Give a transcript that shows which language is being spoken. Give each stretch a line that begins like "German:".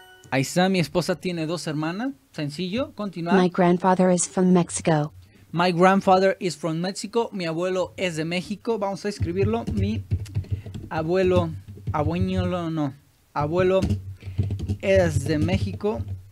Spanish: Ahí está, mi esposa tiene dos hermanas. Sencillo, continuar.
English: My grandfather is from Mexico. My grandfather is from Mexico.
Spanish: Mi abuelo es de México. Vamos a escribirlo. Mi abuelo, abuelo no, abuelo es de México.